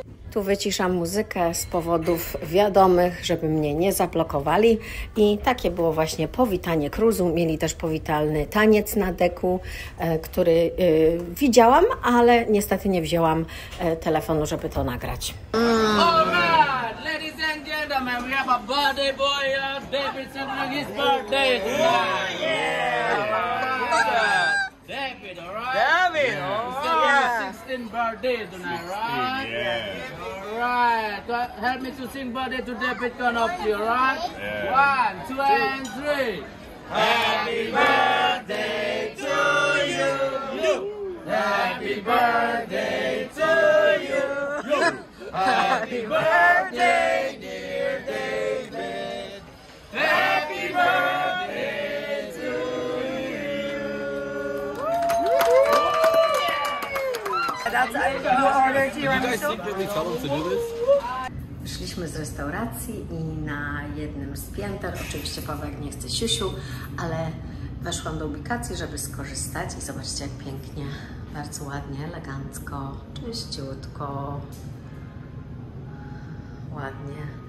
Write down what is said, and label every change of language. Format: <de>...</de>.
<pl>Tu wyciszam muzykę z powodów wiadomych, żeby mnie nie zablokowali. I takie było właśnie powitanie cruzu. Mieli też powitalny taniec na deku, który widziałam, ale niestety nie wzięłam telefonu, żeby to nagrać.</pl> <en>All right, ladies and gentlemen, we have a birthday boy here. David celebrating his birthday. Yeah, yeah. Yeah. Yeah. David, all right? David, yeah. All right. Yeah. 16th birthday tonight, right? Yeah. All right. So help me to sing birthday to David, turn up to you, right? Yeah. One, two, and three. Happy birthday to you. You. Happy birthday to you. You. Happy birthday, dear David. Happy birthday to you. That's an order to your Did you guys secretly tell him to do this?</en> <pl>Wyszliśmy z restauracji i na jednym z pięter, oczywiście Paweł nie chce siusiu, ale weszłam do ubikacji, żeby skorzystać i zobaczcie jak pięknie, bardzo ładnie, elegancko, czyściutko, ładnie.</pl>